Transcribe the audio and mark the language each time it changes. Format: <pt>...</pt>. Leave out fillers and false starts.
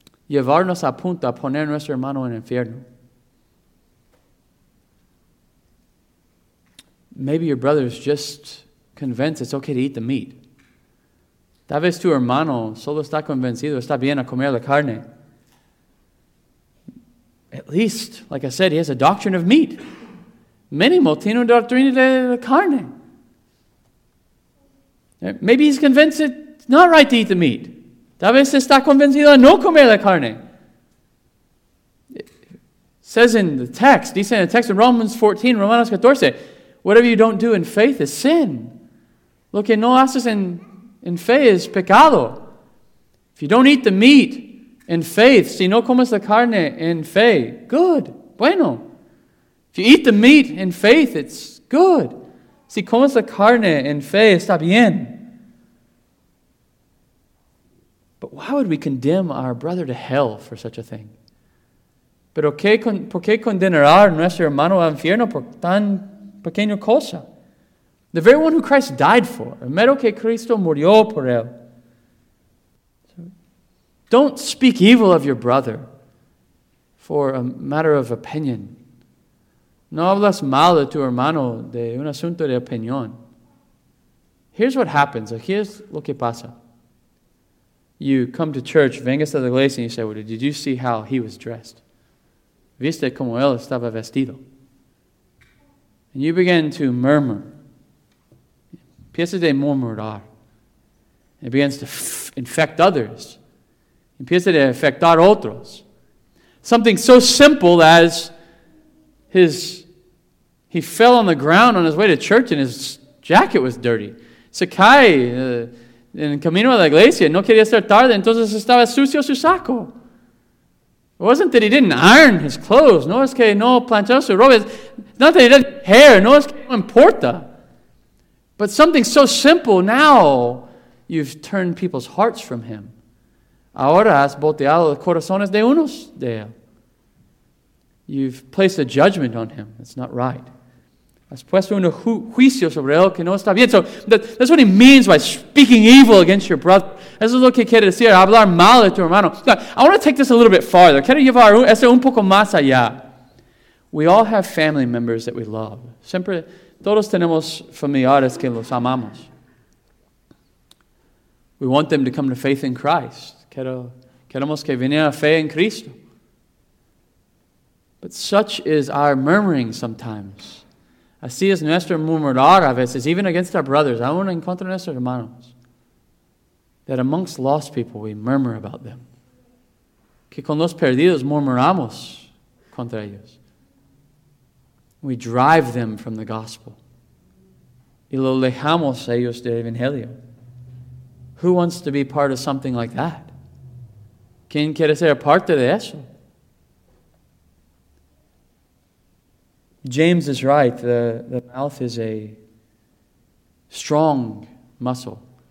<es>Llevarnos a punto a poner nuestro hermano en infierno.</es> <en>Maybe your brother's just convinced it's okay to eat the meat.</en> <es>Tal vez tu hermano solo está convencido, está bien a comer la carne.</es> <en>At least, like I said, he has a doctrine of meat.</en> <es>Mínimo tiene una doctrina de la carne.</es> <en>Maybe he's convinced it's not right to eat the meat.</en> <es>Tal vez está convencido a no comer la carne.</es> <en>It says in the text,</en> <es>dice en el texto, Romans 14, Romanos 14,</es> <en>whatever you don't do in faith is sin.</en> <es>Lo que no haces en fe es pecado.</es> <en>If you don't eat the meat in faith,</en> <es>si no comes la carne en fe,</es> <en>good, bueno. If you eat the meat in faith, it's good.</en> <es>Si comes la carne en fe, está bien.</es> <en>But why would we condemn our brother to hell for such a thing?</en> <es>Pero por qué condenar nuestro hermano al infierno por tan pequeña cosa?</es> <en>The very one who Christ died for.</en> <es>Primero que Cristo murió por él.</es> <en>Don't speak evil of your brother for a matter of opinion.</en> <es>No hablas mal de tu hermano de un asunto de opinión.</es> <en>Here's what happens. Here's</en> <es>lo que pasa.</es> <en>You come to church,</en> <es>vengas a la iglesia,</es> <en>and you say, well, did you see how he was dressed?</en> <es>¿Viste cómo él estaba vestido?</es> <en>And you begin to murmur.</en> <es>Empiezas a murmurar.</es> <en>It begins to infect others.</en> <es>Empiezas a infectar otros.</es> <en>Something so simple as he fell on the ground on his way to church and his jacket was dirty.</en> <es>Se cae en camino a la iglesia. No quería estar tarde, entonces estaba sucio su saco.</es> <en>It wasn't that he didn't iron his clothes.</en> <es>No es que no planchó su ropa.</es> <en>Not that he didn't hair.</en> <es>No es que no importa.</es> <en>But something so simple, now you've turned people's hearts from him.</en> <es>Ahora has volteado los corazones de unos de él.</es> <en>You've placed a judgment on him. It's not right.</en> <es>Has puesto un juicio sobre él que no está bien.</es> <en>So that's what he means by speaking evil against your brother.</en> <es>Eso es lo que quiere decir, hablar mal de tu hermano.</es> <en>Now, I want to take this a little bit farther.</en> <es>Quiero llevar eso un poco más allá.</es> <en>We all have family members that we love.</en> <es>Siempre, todos tenemos familiares que los amamos.</es> <en>We want them to come to faith in Christ.</en> <es>Queremos que vengan a fe en Cristo.</es> <en>But such is our murmuring sometimes</en> <es>Así es nuestro murmurar a veces,</es> <en>even against our brothers,</en> <es>aún en contra de nuestros hermanos.</es> <en>That amongst lost people, we murmur about them.</en> <es>Que con los perdidos murmuramos contra ellos.</es> <en>We drive them from the gospel.</en> <es>Y lo alejamos a ellos del evangelio.</es> <en>Who wants to be part of something like that?</en> <es>¿Quién quiere ser parte de eso?</es> <en>James is right. The mouth is a strong muscle.</en>